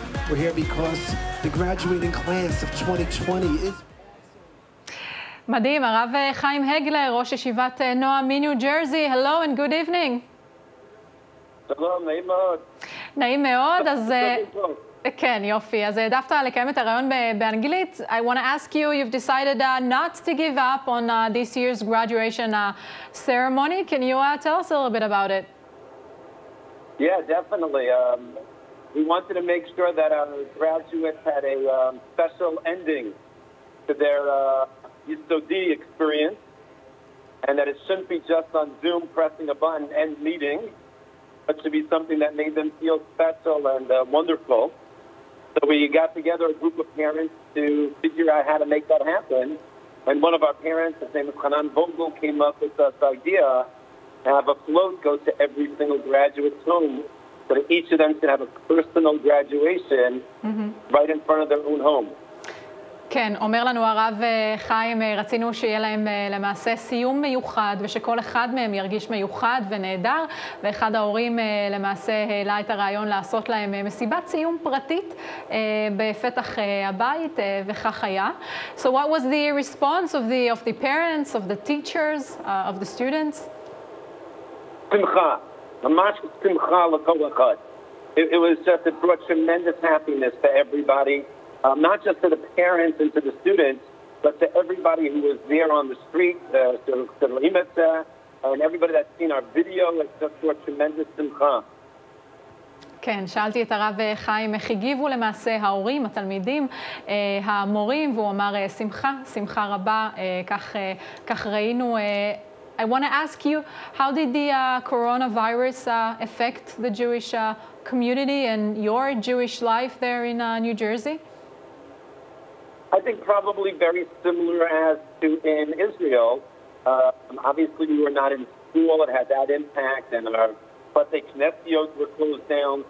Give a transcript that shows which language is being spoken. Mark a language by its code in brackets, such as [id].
[en] We're here because the graduating class of 2020 is... [he] מדהים, הרב חיים הגלר, ראש ישיבת נועם מניו ג'רזי. Hello and good evening. שלום, נעים מאוד. נעים מאוד, אז... כן, יופי. אז העדפת לקיים את הרעיון באנגלית. [en] I want to ask you, you've decided not to give up on this year's graduation ceremony. Can you tell us a little bit about it? Yeah, definitely. We wanted to make sure that our graduates had a special ending to their Yisodi experience, and that it shouldn't be just on Zoom pressing a button and meeting, but should be something that made them feel special and wonderful. So we got together a group of parents to figure out how to make that happen, and one of our parents, his name is Hanan Vogel, came up with this idea to have a float go to every single graduate's home, so that each of them should have a personal graduation right in front of their own home. [he] כן, אומר לנו הרב חיים, רצינו שיהיה להם למעשה סיום מיוחד, ושכל אחד מהם ירגיש מיוחד ונהדר, ואחד ההורים למעשה העלה את הרעיון לעשות להם מסיבת סיום פרטית בפתח הבית, וכך היה. [en] So what was the response of the parents, of the teachers, of the students? [he] שמחה, ממש שמחה לכל אחד. [en] It was just, it brought tremendous happiness to everybody. Not just to the parents and to the students, but to everybody who was there on the street, the limita, and everybody that's seen our video, it's just for tremendous simcha. [he] כן, שאלתי את הרב חיים, איך הגיבו למעשה ההורים, התלמידים, המורים, והוא אמר, שמחה, שמחה רבה, כך ראינו. [en] I want to ask you, how did the coronavirus affect the Jewish community and your Jewish life there in New Jersey? I think probably very similar as to in Israel. Obviously, we were not in school. It had that impact. And our Bate Knessiot were closed down.